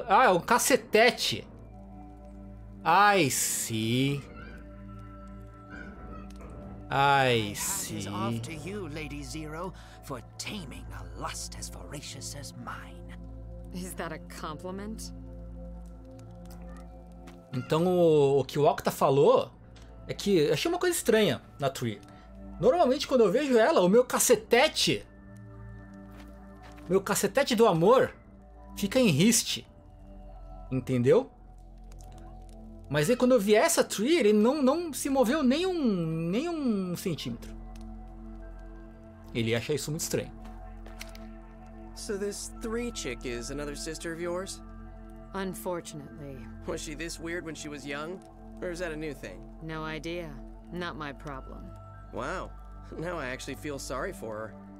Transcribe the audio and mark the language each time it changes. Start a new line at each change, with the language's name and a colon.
Portuguese: Ah, um cacetete!
English: I see. I see. Off to you, Lady Zero, for taming a lust as voracious as mine. Is that a compliment?
Portuguese: Então o que o Octa falou é que eu achei uma coisa estranha na Tree. Normalmente quando eu vejo ela, o meu cacetete do amor fica em riste. Entendeu? Mas aí quando eu vi essa Tree, ele não se moveu nem um centímetro. Ele acha isso muito estranho.
English: So this Three chick is another sister of yours? Unfortunately. Was she this weird when she was young? Or is that a new thing? No idea. Not my problem. Wow. Now I actually feel sorry for her.